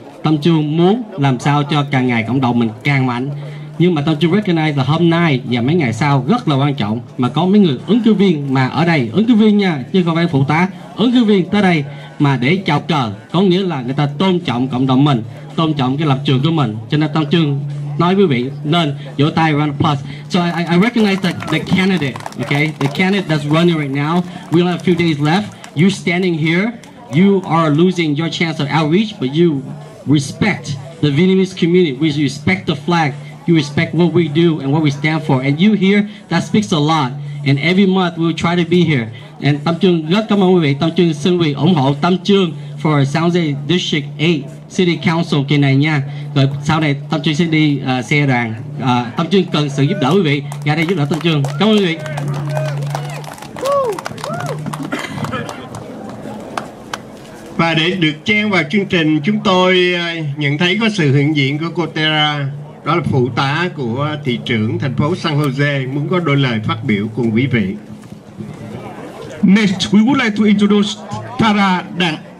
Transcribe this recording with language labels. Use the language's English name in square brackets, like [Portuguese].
[Vietnamese] Tâm Trương muốn làm sao cho càng ngày cộng đồng mình càng mạnh, nhưng mà Tâm Trương recognize là hôm nay và mấy ngày sau rất là quan trọng, mà có mấy người ứng cử viên mà ở đây, ứng cử viên nha chứ không phải phụ tá, ứng cử viên tới đây mà để chào cờ, có nghĩa là người ta tôn trọng cộng đồng mình, tôn trọng cái lập trường của mình. Cho nên Tâm Trương nói quý vị nên vỗ tay round plus. [English] So I recognize that the candidate, okay, the candidate that's running right now, we have a few days left, you standing here, you are losing your chance of outreach, but you respect the Vietnamese community, we respect the flag, you respect what we do and what we stand for, and you here, that speaks a lot, and every month we'll try to be here. [Vietnamese] And Tâm Trương rất cảm ơn quý vị, Tâm Trương xin quý vị ủng hộ Tâm Trương [English] for San Jose District 8 City Council [Vietnamese] kỳ này nha. Rồi sau này Tâm Trương sẽ đi xe đoàn. Tâm Trương cần sự giúp đỡ quý vị, ra đây giúp đỡ Tâm Trương, cảm ơn quý vị. Và để được chen vào chương trình, chúng tôi nhận thấy có sự hiện diện của cô Tara, đó là phụ tá của thị trưởng thành phố San Jose, muốn có đôi lời phát biểu cùng quý vị. [English] Next, we would like to introduce Tara Dang.